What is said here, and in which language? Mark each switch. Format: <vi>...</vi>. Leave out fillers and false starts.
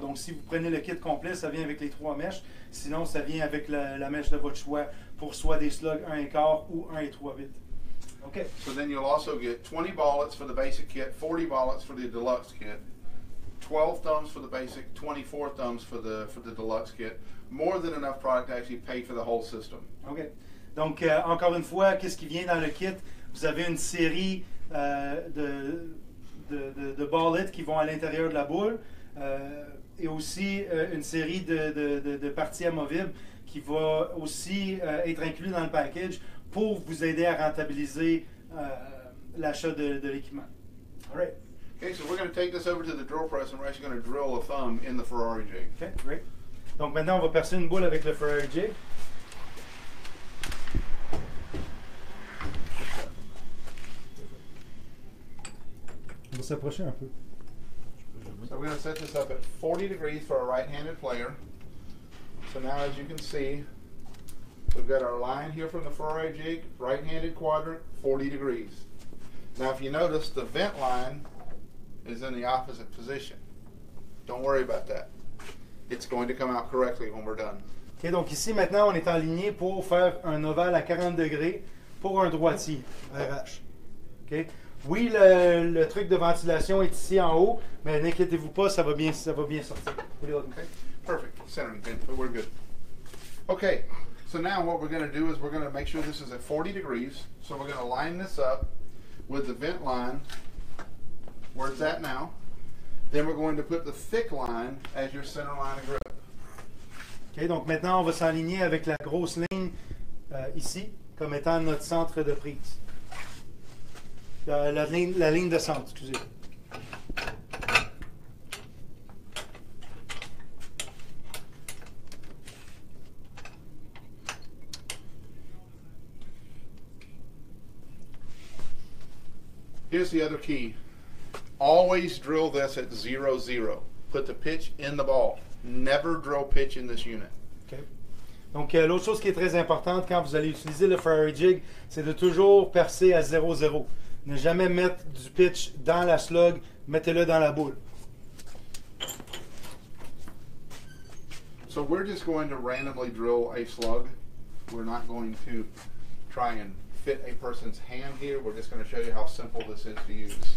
<fr>Donc, si vous prenez le kit complet, ça vient avec les trois mèches. Sinon, ça vient avec la mèche de votre choix pour soit des slugs 1 1/4 ou 1 3/8. OK.</fr> <en>So then you'll also get 20 ballots for the basic kit, 40 ballots for the deluxe kit, 12 thumbs for the basic, 24 thumbs for the deluxe kit. More than enough product to actually pay for the whole system. OK.</en> <fr>Donc, encore une fois, qu'est-ce qui vient dans le kit? Vous avez une série de ballettes qui vont à l'intérieur de la boule et aussi une série de parties amovibles qui va aussi être inclus dans le package pour vous aider à rentabiliser l'achat de l'équipement. All right.</fr> <en>Okay, so we're going to take this over to the drill press and we're actually going to drill a thumb in the Ferrari jig. Okay, great.</en> <fr>Donc maintenant on va percer une boule avec le Ferrari jig. On va s'approcher un peu.</fr> <en>So we're going to set this up at 40 degrees for a right-handed player. So now, as you can see, we've got our line here from the Ferrari jig, right-handed quadrant, 40 degrees. Now, if you notice, the vent line is in the opposite position. Don't worry about that. It's going to come out correctly when we're done.</en> <fr>OK, donc ici, maintenant, on est aligné pour faire un ovale à 40 degrés pour un droitier, RH. OK? Oui, le truc de ventilation est ici en haut, mais n'inquiétez-vous pas, ça va bien sortir.</fr> <en>Okay. Perfect. Centering pin, but we're good. Okay, so now what we're going to do is we're going to make sure this is at 40 degrees. So we're going to line this up with the vent line where it's at now. Then we're going to put the thick line as your center line of grip.</en> <fr>Okay, donc maintenant on va s'aligner avec la grosse ligne ici comme étant notre centre de prise. La ligne de centre, excusez.</fr> <en>Here's the other key. Always drill this at 0-0. Put the pitch in the ball. Never drill pitch in this unit.</en> <fr>Donc, l'autre chose qui est très importante quand vous allez utiliser le Ferrari jig, c'est de toujours percer à 0-0. Ne jamais mettre du pitch dans la slug, mettez-le dans la boule.</fr> <en>So we're just going to randomly drill a slug. We're not going to try and fit a person's hand here. We're just going to show you how simple this is to use.</en>